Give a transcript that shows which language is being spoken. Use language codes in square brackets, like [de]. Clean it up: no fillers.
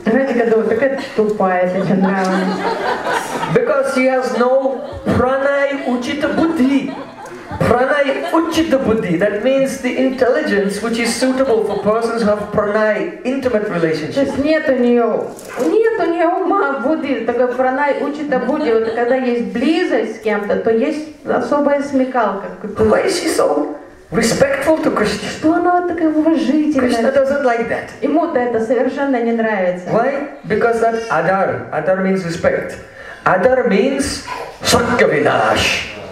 [ru] Знаете, когда вот такая тупая, это чё нравится. [en] Because she has no pranay uchita buddhi. Pranay uchita buddhi, that means the intelligence which is suitable for persons who have pranay, intimate relationship. [ru] То есть нет у неё ума будди, такой pranay uchita buddhi. Вот когда есть близость с кем-то, то есть особая смекалка. [en] Why is she so respectful to Krishna? [ru] Что она вот такая уважительная? [en] Krishna doesn't like that. [ru] Ему-то это совершенно не нравится. [en] Why? Because that adar. Adar means respect. Adar means sakkavinash.